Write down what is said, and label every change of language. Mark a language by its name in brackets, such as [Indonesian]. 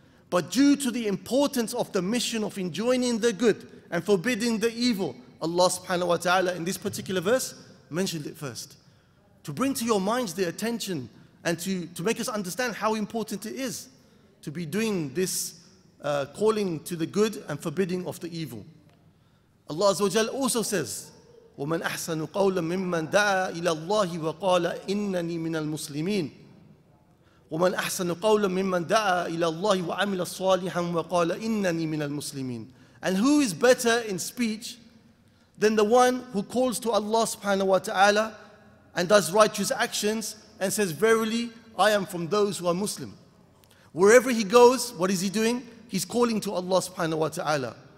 [English] But due to the importance of the mission of enjoining the good and forbidding the evil, Allah subhanahu wa ta'ala in this particular verse mentioned it first. To bring to your minds the attention and to make us understand how important it is to be doing this calling to the good and forbidding of the evil. Allah Azza wa Jalla also says, [Arabic] وَمَنْ أَحْسَنُ قَوْلًا مِمَّنْ دَعَى إِلَى اللَّهِ وَقَالَ إِنَّنِي مِنَ الْمُسْلِمِينَ وَمَنْ أَحْسَنُ قَوْلًا مِمَّنْ دَعَى إِلَى اللَّهِ وَعَمِلَ الصَّالِحًا وَقَالَ إِنَّنِي مِنَ الْمُسْلِمِينَ. [English] And who is better in speech than the one who calls to Allah subhanahu wa ta'ala and does righteous actions and says, verily, I am from those who are Muslim. Wherever he goes, what is he doing? He's calling to Allah subhanahu wa ta'ala.